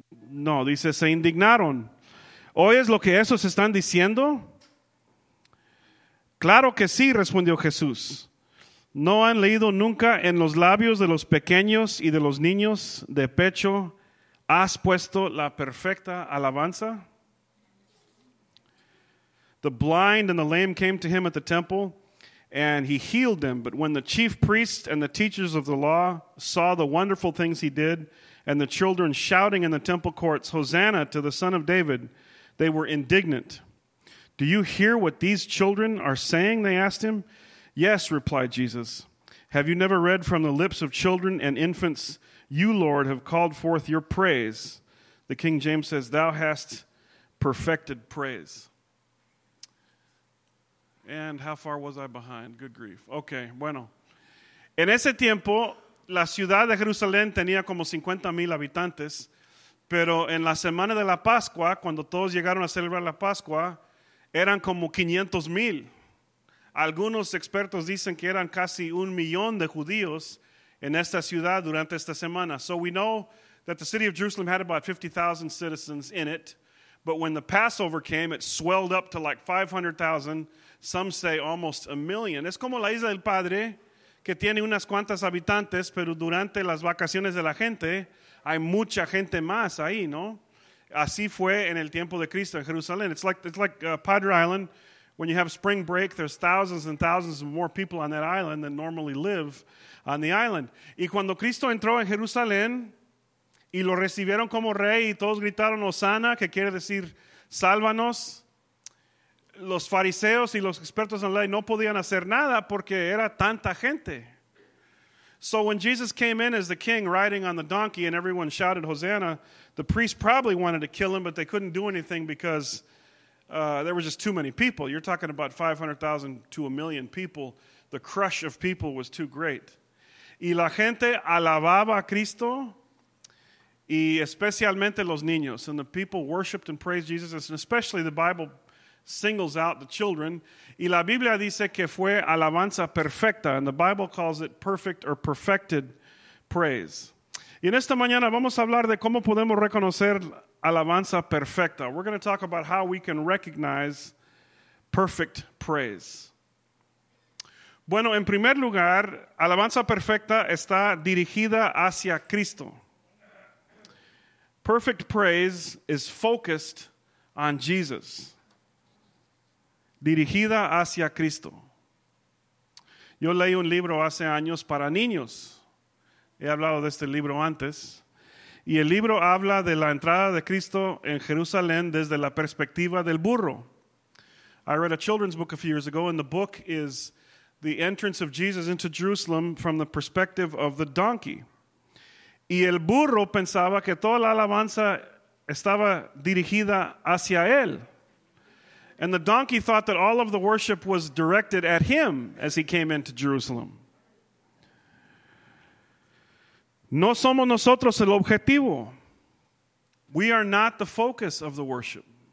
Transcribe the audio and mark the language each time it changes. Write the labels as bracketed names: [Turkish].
[Spanish] No, dice, se indignaron. ¿Oyes lo que esos están diciendo? Claro que sí, respondió Jesús. ¿No han leído nunca en los labios de los pequeños y de los niños de pecho has puesto la perfecta alabanza? [English] The blind and the lame came to him at the temple, and he healed them. But when the chief priests and the teachers of the law saw the wonderful things he did, and the children shouting in the temple courts, Hosanna to the Son of David, they were indignant. Do you hear what these children are saying? They asked him. Yes, replied Jesus. Have you never read from the lips of children and infants, you, Lord, have called forth your praise? The King James says, thou hast perfected praise. And how far was I behind? Good grief. Okay, bueno. [Spanish] En ese tiempo, la ciudad de Jerusalén tenía como 50,000 habitantes, pero en la semana de la Pascua, cuando todos llegaron a celebrar la Pascua, eran como 500,000. Algunos expertos dicen que eran casi 1,000,000 de judíos en esta ciudad durante esta semana. [English] So we know that the city of Jerusalem had about 50,000 citizens in it, but when the Passover came, it swelled up to like 500,000. Some say almost 1,000,000. [Spanish] Es como la Isla del Padre, que tiene unas cuantas habitantes, pero durante las vacaciones de la gente, hay mucha gente más ahí, ¿no? Así fue en el tiempo de Cristo en Jerusalén. [English] It's like Padre Island. When you have spring break, there's thousands and thousands of more people on that island than normally live on the island. [Spanish] Y cuando Cristo entró en Jerusalén y lo recibieron como rey y todos gritaron Hosanna, que quiere decir sálvanos, los fariseos y los expertos en la ley no podían hacer nada porque era tanta gente. [English] So when Jesus came in as the king riding on the donkey and everyone shouted Hosanna, the priest probably wanted to kill him, but they couldn't do anything because there were just too many people. You're talking about 500,000 to 1,000,000 people. The crush of people was too great. [Spanish] Y la gente alababa a Cristo, y especialmente los niños. [English] And the people worshipped and praised Jesus, and especially the Bible singles out the children. [Spanish] Y la Biblia dice que fue alabanza perfecta, [English] and the Bible calls it perfect or perfected praise. [Spanish] Y en esta mañana vamos a hablar de cómo podemos reconocer alabanza perfecta. [English] We're going to talk about how we can recognize perfect praise. [Spanish] Bueno, en primer lugar, alabanza perfecta está dirigida hacia Cristo. [English] Perfect praise is focused on Jesus. [Spanish] Dirigida hacia Cristo. Yo leí un libro hace años para niños. He hablado de este libro antes. Y el libro habla de la entrada de Cristo en Jerusalén desde la perspectiva del burro. [English] I read a children's book a few years ago, and the book is The Entrance of Jesus into Jerusalem from the Perspective of the Donkey. [Spanish] Y el burro pensaba que toda la alabanza estaba dirigida hacia él. [English] And the donkey thought that all of the worship was directed at him as he came into Jerusalem. [Spanish] No somos nosotros el objetivo. [English] We are not the focus of the worship.